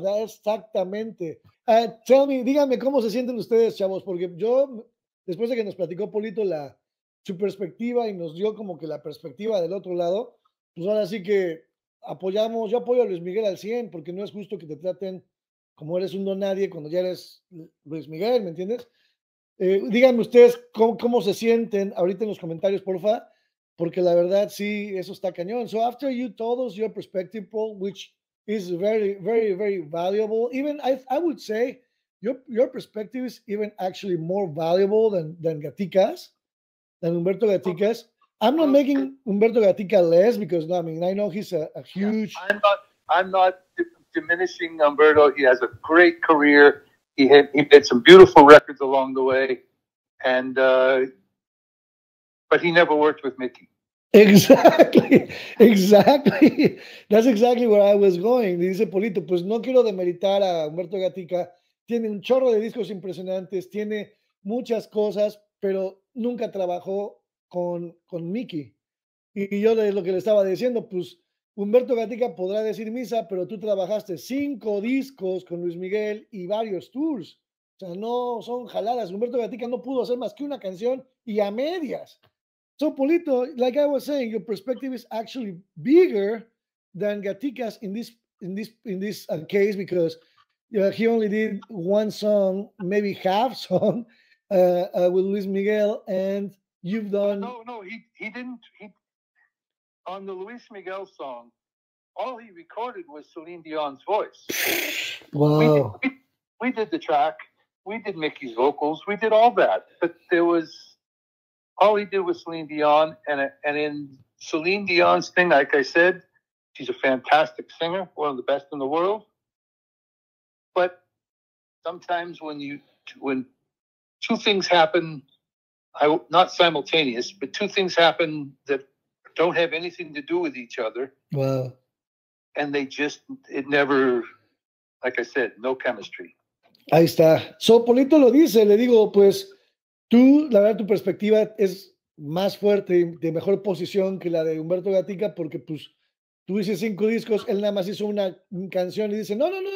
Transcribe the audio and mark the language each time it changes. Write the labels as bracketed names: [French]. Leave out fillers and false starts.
[Spanish] Da exactamente. [English] Tell me, [Spanish] díganme cómo se sienten ustedes, chavos, porque yo, después de que nos platicó Polito su perspectiva y nos dio como que la perspectiva del otro lado, pues ahora sí que apoyamos, yo apoyo a Luis Miguel al 100, porque no es justo que te traten como eres un don nadie cuando ya eres Luis Miguel, ¿me entiendes? Díganme ustedes cómo se sienten ahorita en los comentarios, porfa, porque la verdad sí, eso está cañón. [English] So after you told us your perspective, Paul, which is very, very, very valuable, even I would say your perspective is even actually more valuable than Gatica's, than Humberto Gatica's. I'm not making Humberto Gatica less because, no, I mean, I know he's a huge... I'm not diminishing Humberto. He has a great career. He made some beautiful records along the way. But he never worked with Mickey. Exactly. That's exactly where I was going. [Spanish] Dice Polito, pues no quiero demeritar a Humberto Gatica. Tiene un chorro de discos impresionantes. Tiene muchas cosas, pero nunca trabajó con Mickey. Y yo lo que le estaba diciendo, pues Humberto Gatica podrá decir misa, pero tú trabajaste 5 discos con Luis Miguel y varios tours. O sea, no son jaladas. Humberto Gatica no pudo hacer más que una canción y a medias. [English] So, Polito, like I was saying, your perspective is actually bigger than Gatica's in this case, because he only did one song, maybe half song, with Luis Miguel, and you've done... No, he didn't. On the Luis Miguel song, all he recorded was Celine Dion's voice. Wow. We did the track. We did Mickey's vocals. We did all that. But there was... All he did was Celine Dion. And in Celine Dion's thing, like I said, she's a fantastic singer, one of the best in the world. But sometimes when two things happen, not simultaneous, but two things happen that don't have anything to do with each other. Wow. And they just, it never, like I said, no chemistry. [Spanish] Ahí está. So Polito lo dice, le digo, pues, tú, la verdad, tu perspectiva es más fuerte, de mejor posición que la de Humberto Gatica, porque pues, tú hiciste 5 discos, él nada más hizo una canción y dice, no.